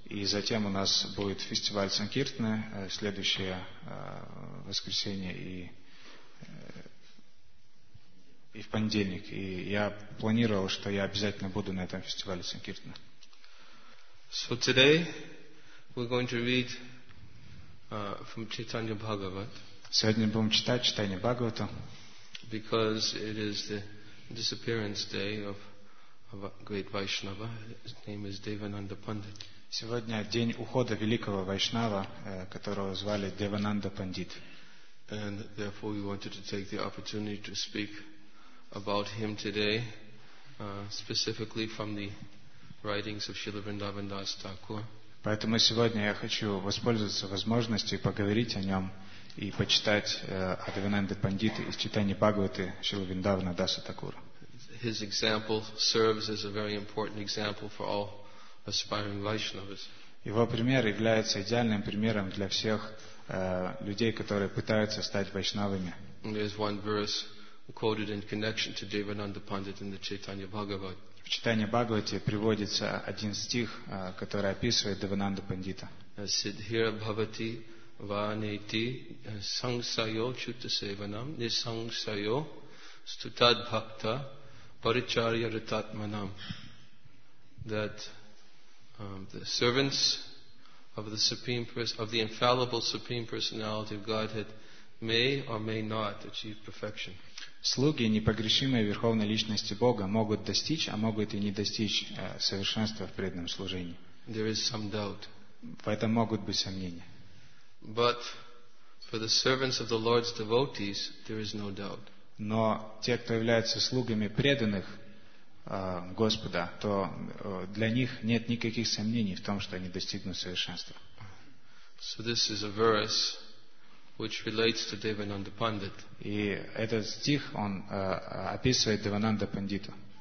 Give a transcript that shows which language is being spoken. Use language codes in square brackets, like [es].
[ru] И затем у нас будет фестиваль Санкиртны следующее воскресенье и в понедельник. И я планировал, что я обязательно буду на этом фестивале Санкиртны. [en] So today we're going to read from Chaitanya Bhagavat. [ru] Сегодня будем читать Чайтанья Бхагавату. [en] Because it is the disappearance day of a great Vaishnava. His name is Devananda Pandit. [ru] Сегодня день ухода великого Вайшнава, которого звали Девананда Пандит. [en] And therefore we wanted to take the opportunity to speak about him today, specifically from the writings of Srila Vrindavan Das Thakur. [ru] Поэтому сегодня я хочу воспользоваться возможностью поговорить о нем и почитать о Девананде Пандите из Чайтаньи Бхагаваты Шрилы Вриндавана Даса Такура. [en] His example serves as a very important example for all aspiring Vaishnavas. [ru] Его пример является идеальным примером для всех людей, которые пытаются стать вайшнавами. [en] There's one verse quoted in connection to Devananda Pandit in the Chaitanya Bhagavat. [ru] В Чайтанье Бхагавате приводится один стих, который описывает Девананду Пандита. [sa] Сиддхира Бхавати Ванети Сангсайо Чутасеванам Нисангсайо Стутад Бхакта Паричарья Рататманам. [en] That the servants of the Supreme of the infallible Supreme Personality of Godhead may or may not achieve perfection. [ru] Слуги непогрешимой Верховной Личности Бога могут достичь, а могут и не достичь совершенства в преданном служении. [en] There is some doubt. [ru] В этом могут быть сомнения. [en] But for the servants of the Lord's devotees, there is no doubt. [ru] Но те, кто являются слугами преданных Господа, то для них нет никаких сомнений в том, что они достигнут совершенства. [en] So this is a verse which relates to Devananda Pandit. [ru] И этот стих, он описывает Девананда Пандита.